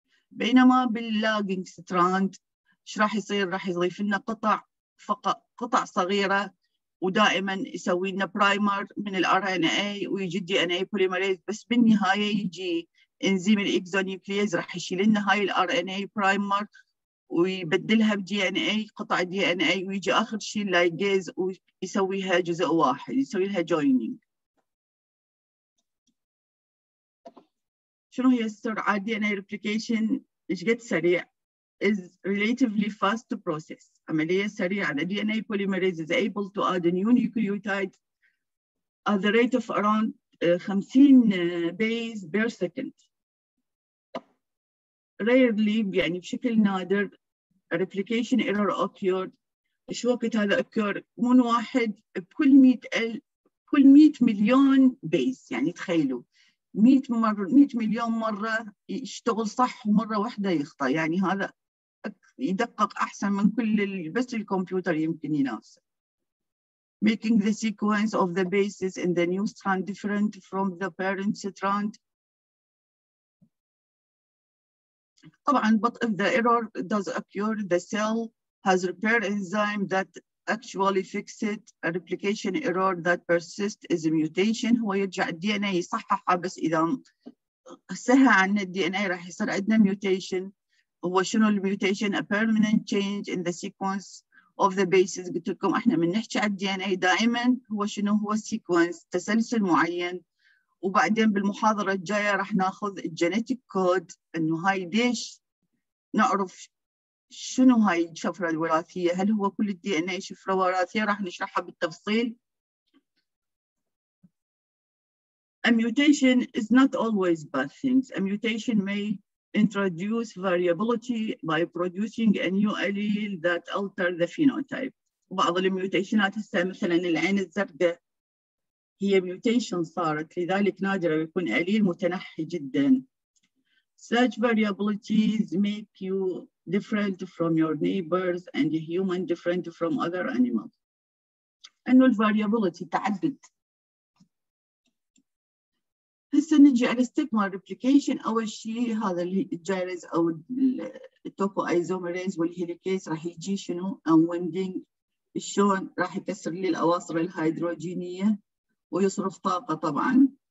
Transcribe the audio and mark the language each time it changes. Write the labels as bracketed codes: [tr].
[ar] بينما باللاجنج ستراند ايش راح يصير؟ راح يضيف لنا قطع فقط قطع صغيره، ودائما يسوي لنا برايمر من الار ان اي ويجي دي ان اي بوليمريز، بس بالنهايه يجي انزيم الاكزونيوكليز راح يشيل لنا هاي الار ان اي برايمر ويبدلها بدي ان اي قطع دي ان اي، ويجي اخر شيء لايجيز ويسويها جزء واحد، يسوي لها جوينينج. شنو هي السرعة دي ان اي ريبليكيشن؟ ايش قد سريع؟ [en] is relatively fast to process، [ar] عملية سريعة. [en] The DNA polymerase is able to add a new nucleotide at the rate of around 50 base per second. Rarely [ar] يعني بشكل نادر [en] a replication error occurred. [ar] ايش وقت هذا occur؟ من واحد بكل 100 مليون base، يعني تخيلوا 100 مليون مرة يشتغل صح ومرة واحدة يخطأ، يعني هذا يدقق أحسن من كل بس الكمبيوتر يمكن ينافسه. [en] Making the sequence of the bases in the new strand different from the parent strand. طبعا but if the error does occur the cell has repair enzyme that actually fix it. A replication error that persists is a mutation. [ar] هو يرجع الدي ان اي يصححها، بس اذا سهى عن الدي ان اي راح يصير عندنا mutation. هو شنو الميوتيشن؟ [en] A permanent change in the sequence of the bases. [ar] قلت لكم احنا من نحكي على الدي ان اي دائما هو شنو؟ هو sequence تسلسل معين، وبعدين بالمحاضرة الجاية رح ناخذ الجينيتيك كود، إنه هاي ليش نعرف شنو هاي الشفرة الوراثية، هل هو كل الدي إن إيه شفرة وراثية رح نشرحها بالتفصيل. [en] A mutation is not always bad things. A mutation may introduce variability by producing a new allele that alters the phenotype. [ar] بعض الميوتيشنات هسه مثلاً العين الزرقاء هي ميوتيشن صارت، لذلك نادرة يكون أليل متنحي جداً. [en] Such variabilities make you different from your neighbors and human different from other animals. [ar] إنه الفاريابيليتي تعدد. هسه نجي على الستيغما ريبليكيشن. أول شيء هذا الجايرز أو التوبو أيزومريز والهيليكيز راح يجي شنو أنويندينج، شلون راح يكسر لي الأواصر الهيدروجينية ويصرف طاقة طبعا،